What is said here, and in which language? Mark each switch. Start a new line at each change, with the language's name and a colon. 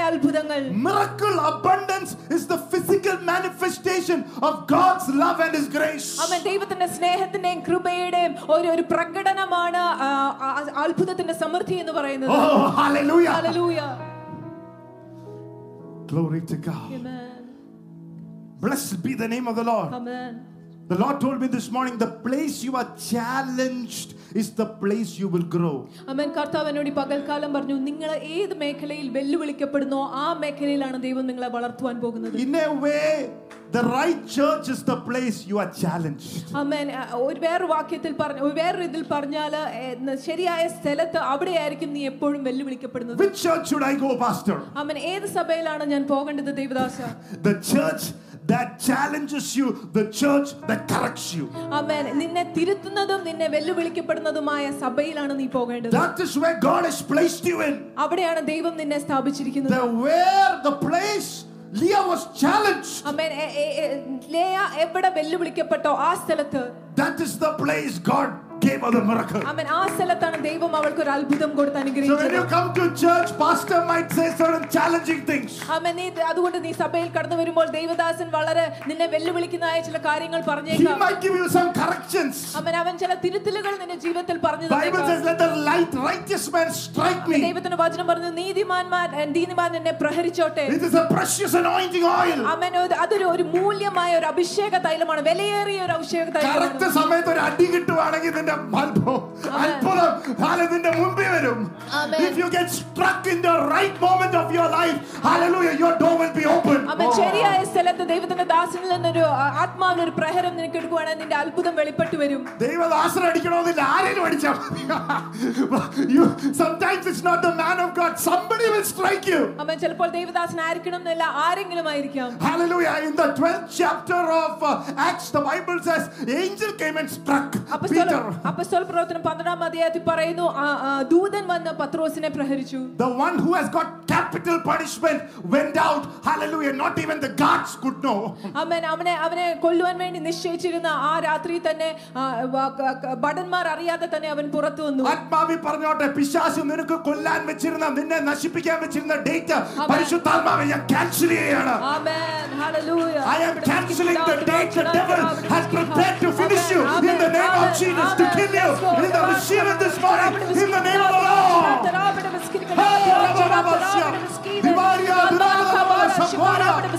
English: Miracle abundance is the physical manifestation of God's love and His grace. Amen.
Malayalam: ദൈവത്തിന്റെ സ്നേഹത്തിന്റെ കൃപയുടെയും ഒരു ഒരു പ്രകടനമാണ് അത്ഭുതത്തിന്റെ സമൃദ്ധി എന്ന് പറയുന്നത്.
English: Oh, hallelujah. Hallelujah. Glory to God. Amen. Blessed be the name of the Lord. Amen. The Lord told me this morning, the place you are challenged is the place you will grow. Amen.
Malayalam: കർത്താവനോട് പകൽക്കാലം പറഞ്ഞു, നിങ്ങൾ ഏത് മേഖലയിൽ വെല്ലുവിളിക്കപ്പെടുന്നോ ആ മേഖലയിലാണ് ദൈവം നിങ്ങളെ വളർത്തുവാൻ പോകുന്നത്.
English: In a way, the right church is the place you are challenged. Amen.
Malayalam: ഒരു വേറെ വാക്യത്തിൽ പറഞ്ഞു, വേറെ ഇതിൽ പറഞ്ഞാൽ ശരിയായ സ്ഥലത്തെ അവിടെ ആയിരിക്കും നീ എപ്പോഴും വെല്ലുവിളിക്കപ്പെടുന്നത്.
English: Which church should I go, pastor?
Malayalam: Amen. ഏത് സഭയിലാണ് ഞാൻ പോകേണ്ടത് ദൈവദാസ?
English: The church that challenges you, the church that corrects you. Amen.
Malayalam: നിന്നെ തിരുത്തുന്നതും നിന്നെ വെല്ലുവിളിക്കപ്പെടുന്നതുമായ സഭയിലാണ് നീ പോകേണ്ടത്.
English: That is where God has placed you in.
Malayalam: അവിടെയാണ് ദൈവം നിന്നെ സ്ഥാപിച്ചിരിക്കുന്നത്.
English: The place Leah was challenged. Amen.
Malayalam: Leah എവിടെ വെല്ലുവിളിക്കപ്പെട്ടോ ആ സ്ഥലത്തെ.
English: That is the place God gave her the miracle. Amen.
Malayalam: ആ സ്ഥലത്താണ് ദൈവം അവൾക്ക് ഒരു അത്ഭുതം കൊടുത്ത് അനുഗ്രഹിച്ചത്.
English: So when you come to church, pastor might say certain challenging things. Amen.
Malayalam: അതുകൊണ്ട് നീ സഭയിൽ കടന്നു വരുമ്പോൾ ദൈവദാസൻ വളരെ നിന്നെ വെല്ലുവിളിക്കുന്നതായ ചില കാര്യങ്ങൾ പറഞ്ഞേക്കാം.
English: He might give you some corrections. Amen.
Malayalam: അവൻ ചില തിരുത്തലുകൾ നിന്റെ ജീവിതത്തിൽ പറഞ്ഞു തന്നേക്കാം.
English: Bible says, let the light righteous man strike me.
Malayalam: ദൈവത്തിന്റെ വചനം പറഞ്ഞു, നീതിമാൻ നിന്നെ പ്രഹരിച്ചോട്ടെ.
English: It is a precious anointing oil. Amen.
Malayalam: അതൊരു ഒരു മൂല്യമായ ഒരു അഭിഷേക തൈലമാണ്, വിലയേറിയ ഒരു അഭിഷേക തൈലമാണ്. കറക്റ്റ് സമയത്ത് ഒരു അടി കിട്ടുവാണെങ്കിൽ
English: If you get struck in the right moment of your life, hallelujah, your door will be open. Amen.
Malayalam: ശരിയായ സ്ഥലത്ത് ദൈവത്തിന്റെ ദാസനിൽ നിന്നൊരു ആത്മാവിന് ഒരു പ്രഹരം നിനക്ക് എടുക്കുവാണെങ്കിൽ നിന്റെ അത്ഭുതം വെളിപ്പെട്ടു വരും. ദൈവദാസൻ അടിക്കണമെന്നില്ല, ആരെങ്കിലും അടിച്ചാൽ മതി.
English: Sometimes it's not the man of God, somebody will strike you. Amen.
Malayalam: ചിലപ്പോൾ ദൈവദാസൻ ആയിരിക്കണമെന്നില്ല, ആരെങ്കിലും ആയിരിക്കാം.
English: Hallelujah. In the 12th chapter of Acts, the Bible says angel came and struck Peter.
Malayalam: അപ്പോസ്തല പ്രവർത്തനം 12-ാം അധ്യായത്തിൽ പറയുന്നു, ദൂതൻ വന്ന് പത്രോസിനെ പ്രഹരിച്ചു.
English: The one who has got capital punishment went out. Hallelujah. Not even the guards could know. Amen.
Malayalam: അവനെ കൊല്ലുവാൻ വേണ്ടി നിശ്ചയിച്ചിരുന്ന ആ രാത്രി തന്നെ ഭടന്മാർ അറിയാതെ തന്നെ അവൻ പുറത്തു വന്നു. ആത്മാവി പറഞ്ഞോട്ടെ, പിശാച് നിനക്ക് കൊല്ലാൻ വെച്ചിരുന്ന, നിന്നെ നശിപ്പിക്കാൻ വെച്ചിരുന്ന ഡേറ്റ് പരിശുദ്ധാത്മാവേ ഞാൻ ക്യാൻസൽ ചെയ്യുകയാണ്.
English: Amen. Hallelujah. I am canceling the date the devil has prepared to finish you in the name of Jesus. To kill you in the machine of this morning in the name of the Lord. Hallelujah. Divariya duradala sabhara.